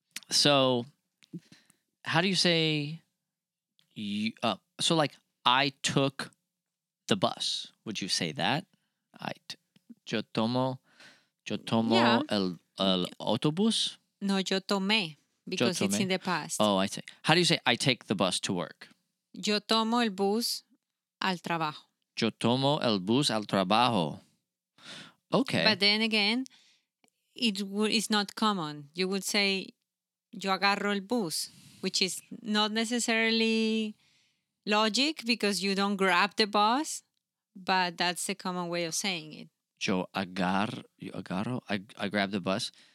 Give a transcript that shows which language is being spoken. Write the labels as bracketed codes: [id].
[en] So how do you say... So, I took the bus. Would you say that? [es] Yo tomo el autobús? [en] No, [es] yo tomé, [en] because it's in the past. Oh, I see. How do you say, I take the bus to work? [es] Yo tomo el bus al trabajo. Yo tomo el bus al trabajo. [en] Okay. But then again, it's not common. You would say, [es] yo agarro el bus, [en] which is not necessarily... logic, because you don't grab the bus, but that's the common way of saying it. [es] Yo agarro, [en] I grab the bus.